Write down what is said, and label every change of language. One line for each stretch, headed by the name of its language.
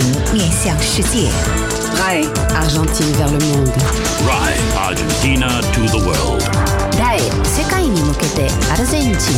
French: RAE, Argentina vers le monde.
English: RAE, Argentina to the world.
Japanese: RAE, 世界に向けてアルゼンチン。